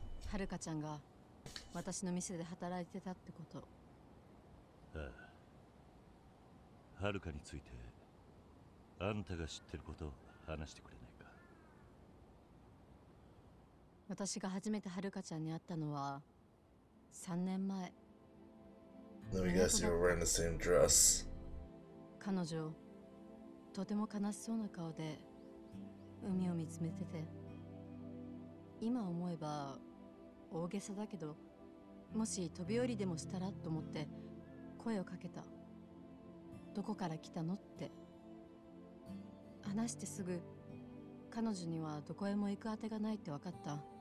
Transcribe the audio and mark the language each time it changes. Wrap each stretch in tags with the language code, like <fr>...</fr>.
<ja>はるかちゃんが私の店で働いてたってこと。ああ。はるかについて、あんたが知ってることを話してくれないか。私が初めてはるかちゃんに会ったのは3年前。</ja> <en>Let me guess, you're wearing the same dress.</en> <ja>彼女、とても悲しそうな顔で海を見つめてて、今思えば大げさだけど、もし飛び降りでもしたらと思って声をかけた。どこから来たのって話してすぐ、彼女にはどこへも行く当てがないって分かった。</ja>